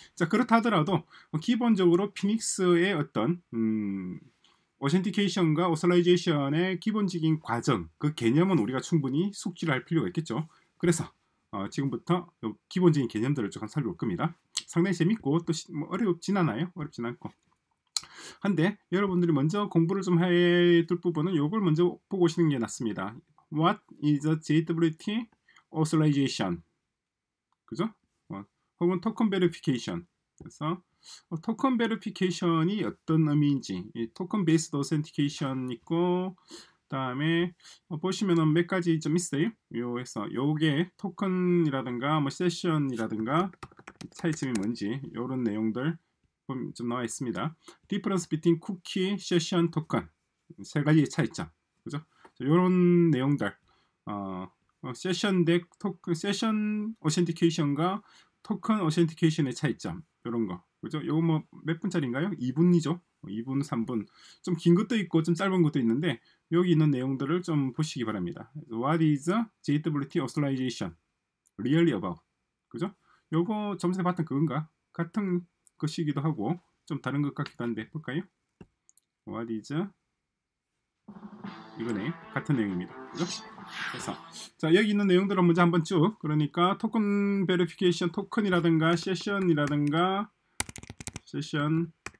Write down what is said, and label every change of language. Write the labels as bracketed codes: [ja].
[ko] 자, 그렇다 하더라도 기본적으로 피닉스의 어떤 어센티케이션과 어슬라이제이션의 기본적인 과정, 그 개념은 우리가 충분히 숙지를 할 필요가 있겠죠. 그래서 지금부터 기본적인 개념들을 조금 살펴볼 겁니다. 상당히 재밌고 또 어렵진 않아요. 어렵진 않고. 한데 여러분들이 먼저 공부를 좀 해둘 부분은 요걸 먼저 보고 오시는 게 낫습니다. [en] What is a JWT authorization? [ko] 그죠? 혹은 [en] token verification. [ko] 그래서 token verification이 어떤 의미인지, 이 token based authentication 있고, 그다음에 보시면은 몇 가지 좀 있어요. 요에서 요게 토큰이라든가 뭐 세션이라든가 차이점이 뭔지 요런 내용들 좀 나와 있습니다. [en] Difference between cookie, session, token [ko] 세 가지의 차이점. 그죠? 요런 내용들 세션 덱 토큰 세션 어센티케이션과 토큰 어센티케이션의 차이점 요런 거 그죠? 요거 뭐몇 분짜리인가요? 2분이죠? 2분, 3분 좀긴 것도 있고 좀 짧은 것도 있는데 여기 있는 내용들을 좀 보시기 바랍니다. [en] What is JWT authorization really about? [ko] 그죠? 요거 점수에 봤던 그건가? 같은 것이기도 하고 좀 다른 것 같기도 한데 볼까요? [en] What is [ko] 이거네 같은 내용입니다. 그죠? 그래서 자 여기 있는 내용들을 먼저 한번 쭉 그러니까 토큰 베리피케이션 토큰이라든가 세션이라든가 세션